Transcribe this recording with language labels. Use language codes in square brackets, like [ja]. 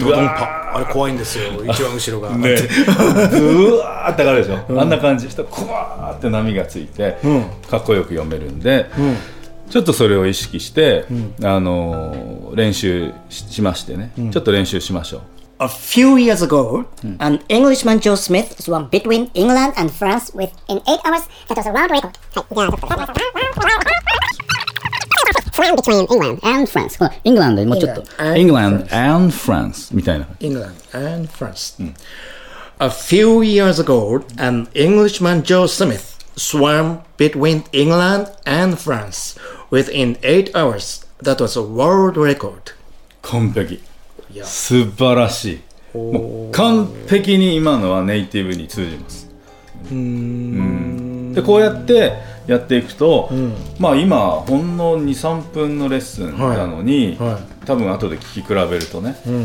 [ja] ドドンパ、あれ怖いんですよ、一番後ろがね、うわーって上がるでしょ、あんな感じしたら、こわーって波がついて、かっこよく読めるんで、ちょっとそれを意識して、練習 しましてね、ちょっと練習しましょう。 [en] A few years ago, an Englishman Joe Smith swam between England and France within 8 hours. That was a world record. Swam between England and France. [ja] England, もうちょっと。 England and France みたいな。 [en] England and France. A few years ago, an Englishman Joe Smith swam between England and France within 8 hours. That was a world record. [ja] 完璧。素晴らしい、もう完璧に今のはネイティブに通じます、でこうやってやっていくと、まあ今ほんの 2,3 分のレッスンなのに、多分後で聞き比べるとね、